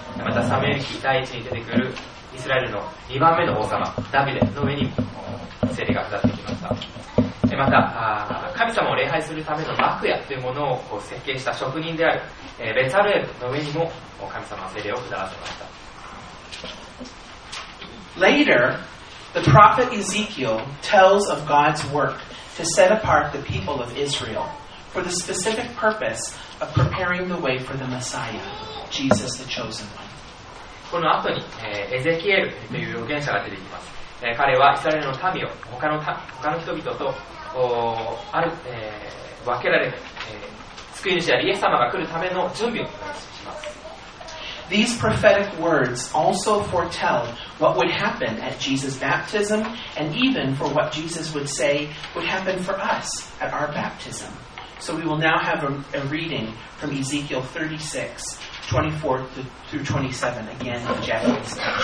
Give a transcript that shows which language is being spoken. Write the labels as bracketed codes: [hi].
[ja] またサムエル記第1に出てくるイスラエルの2番目の王様ダビデの上にも聖霊が下ってきました。また神様を礼拝するための幕屋というものを設計した職人であるベツァルエルの上にも神様は聖霊を下らせました。 [en] Later the prophet Ezekiel tells of God's work to set apart the people of Israelfor the specific purpose of preparing the way for the Messiah, Jesus the Chosen One. [ja] この後に、エゼキエルという預言者が出てきます。彼はイスラエルの民を他の人々とある、分けられる、救い主であるイエス様が来るための準備をします。 [en] These prophetic words also foretell what would happen at Jesus' baptism and even for what Jesus would say would happen for us at our baptism. So we will now have a reading from Ezekiel 36:24-27 again in Japanese.